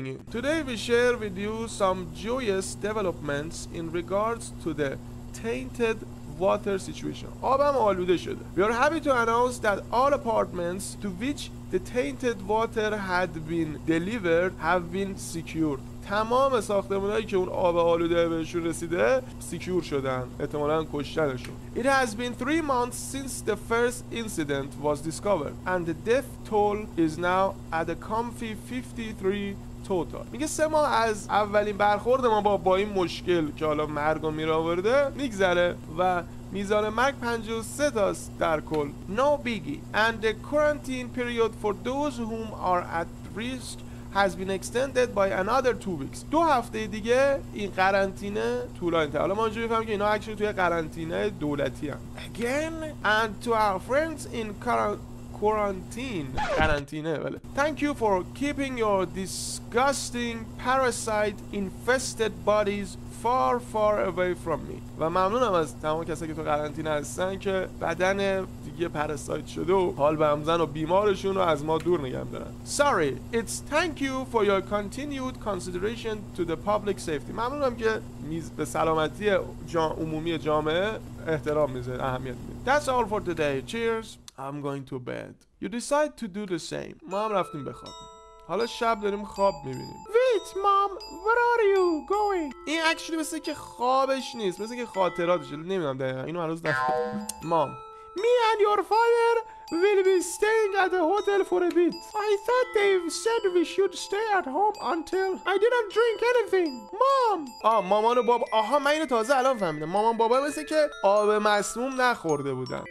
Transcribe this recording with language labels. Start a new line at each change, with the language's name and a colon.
English: Today we share with you some joyous developments in regards to the tainted water situation.
Persian: آبم آلوده شده.
English: We are happy to announce that all apartments to which the tainted water had been delivered have been secured.
Persian: تمام ساختمانایی که اون آب آلوده بهشون رسیده سیکور شدن احتمالاً کشتنشون.
English: It has been 3 months since the first incident was discovered and the death toll is now at a comfy 53 total.
Persian: میگه سه ماه از اولین برخورد ما با این مشکل که حالا مرگ رو میراورده میگذره و میزان مرگ 53 تاست در کل.
English: No biggie. And the quarantine period for those whom are at risk has been extended by another 2 weeks.
Persian: دو هفته دیگه این قرنطینه طولانی‌تر. حالا ما اونجوری می‌فهمیم که اینا اکشن توی قرنطینه دولتی هم.
English: Again and to our friends in quarantine.
Persian: بله.
English: Thank you for keeping your disgusting parasite infested bodies far far away from me.
Persian: و ممنونم از تمام کسایی که تو قرنطینه هستن که بدن دیگه پرستایت شده و حال بمزن و بیمارشون رو از ما دور نگم دارن.
English: Sorry, it's thank you for your continued consideration to the public safety.
Persian: ممنونم که به سلامتی عمومی جامعه احترام میذارید. اهمیت میدید.
English: That's all for today. Cheers. I'm going to bed. You decide to do the same.
Persian: ما هم رفتیم بخوابیم. حالا شب داریم خواب میبینیم.
English: Wait, mom, where are you going?
Persian: این اکشنی مثل که خوابش نیست. مثل که خاطراتش. نمیدونم دقیقا. اینو هنوز نخواب. مام.
English: Me and your father will be staying at the hotel for a bit. I thought they said we should stay at home until I didn't drink anything. Mom!
Persian: مامان و بابا. من اینو تازه الان فهمیدم. مامان بابا مثل که آب مسموم نخورده بودن.